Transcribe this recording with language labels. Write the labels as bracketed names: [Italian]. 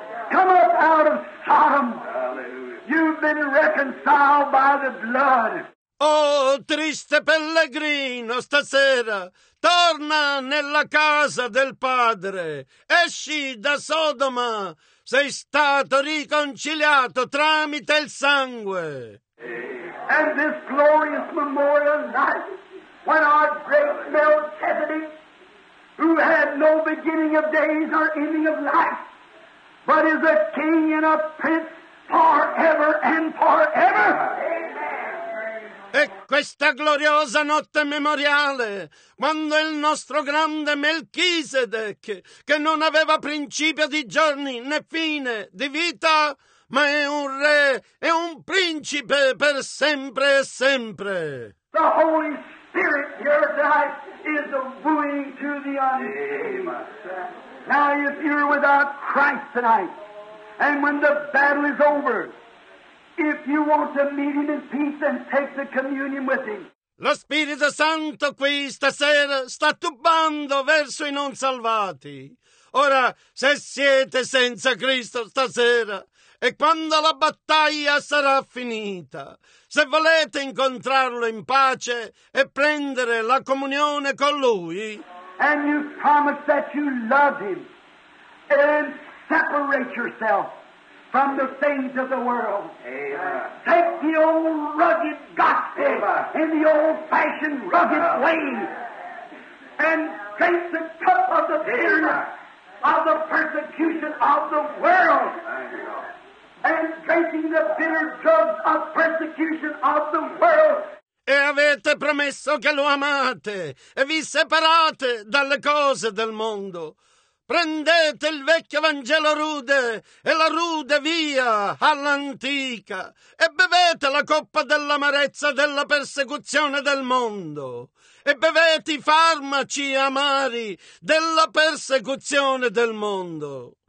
[English] Come up out of Sodom. You've been reconciled by the blood. [Italian] Oh, triste pellegrino, stasera, torna nella casa del Padre. Esci da Sodoma. Sei stato riconciliato tramite il sangue. [English] And this glorious memorial night, when our great Melchizedek, who had no beginning of days or ending of life, but is a king and a prince forever and forever. [Italian] E questa gloriosa notte memoriale, quando il nostro grande Melchisedec, che non aveva principio di giorni né fine di vita, ma è un re e un principe per sempre e sempre. [English] The Holy Spirit here tonight is a wooing to the unseen. Now, if you're without Christ tonight, and when the battle is over, if you want to meet him in peace and take the communion with him. [Italian] Lo Spirito Santo qui stasera sta tubando verso i non salvati. Ora, se siete senza Cristo stasera, e quando la battaglia sarà finita, se volete incontrarlo in pace e prendere la comunione con lui, [English] and you promise that you love him and separate yourself from the things of the world. Amen. Take the old rugged gospel in the old-fashioned rugged way and drink the cup of the bitterness of the persecution of the world. and drinking the bitter drugs of persecution of the world. [Italian] E avete promesso che lo amate e vi separate dalle cose del mondo. Prendete il vecchio Vangelo rude e la rude via all'antica e bevete la coppa dell'amarezza della persecuzione del mondo e bevete i farmaci amari della persecuzione del mondo.